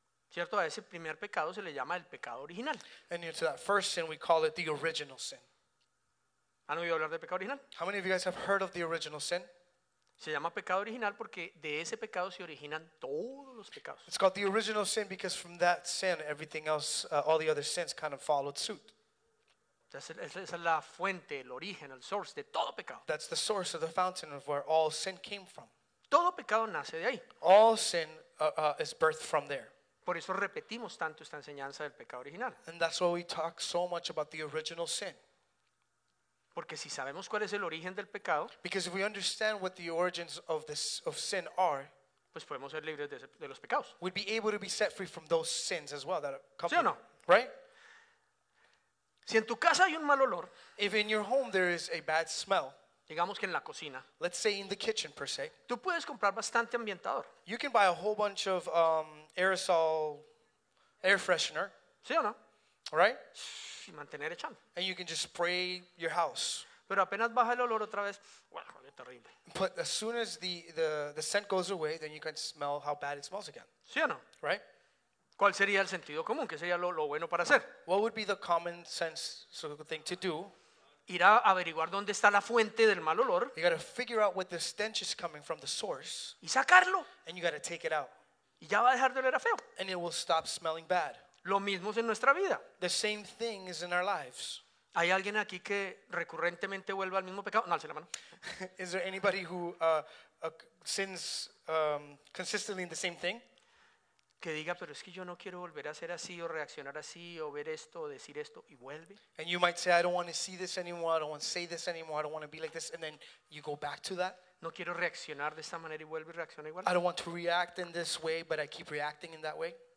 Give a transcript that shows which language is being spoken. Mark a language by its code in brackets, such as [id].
[es] ¿Cierto? A ese primer pecado se le llama el pecado original. [en] And into that first sin we call it the original sin. [es] ¿Han oído hablar del pecado original? [en] How many of you guys have heard of the original sin? [es] Se llama pecado original porque de ese pecado se originan todos los pecados. [en] It's called the original sin because from that sin everything else, all the other sins kind of followed suit. [es] Esa es la fuente, el origen, el source de todo pecado. [en] That's the source of the fountain of where all sin came from. [es] Todo pecado nace de ahí. [en] All sin is birthed from there. [es] Por eso repetimos tanto esta enseñanza del pecado original. [en] And that's why we talk so much about the original sin. [es] Porque si sabemos cuál es el origen del pecado, [en] because if we understand what the origins of this of sin are, [es] pues podemos ser libres de los pecados. [en] We'd be able to be set free from those sins as well. That [es] ¿sí o no? [en] Right? [es] Si en tu casa hay un mal olor, [en] if in your home there is a bad smell, [es] digamos que en la cocina, [en] let's say in the kitchen per se, [es] tú puedes comprar bastante ambientador. [en] You can buy a whole bunch of aerosol air freshener. [es] ¿Sí o no? [en] Right? [es] Y mantener echando. [en] And you can just spray your house. [es] Pero apenas baja el olor otra vez, bueno, es terrible. [en] But as soon as the scent goes away, then you can smell how bad it smells again. [es] ¿Sí o no? [en] Right? [es] ¿Cuál sería el sentido común? ¿Qué sería lo bueno para hacer? [en] What would be the common sense sort of thing to do? [es] Ir a averiguar dónde está la fuente del mal olor. [en] You got to figure out what the stench is coming from the source. [es] Y sacarlo. [en] And you got to take it out. [es] Y ya va a dejar de oler a feo. [en] And it will stop smelling bad. [es] Lo mismo es en nuestra vida. [en] The same thing is in our lives. [es] ¿Hay alguien aquí que recurrentemente vuelve al mismo pecado? No, alce la mano. [en] Is there anybody who sins consistently in the same thing? [es] Que diga, pero es que yo no quiero volver a ser así o reaccionar así o ver esto o decir esto y vuelve. [en] And you might say, I don't want to see this anymore, I don't want to say this anymore, I don't want to be like this, and then you go back to that. [es] No quiero reaccionar de esta manera y vuelvo y reacciono igual. [en] I don't want to react in this way, but I keep reacting in that way.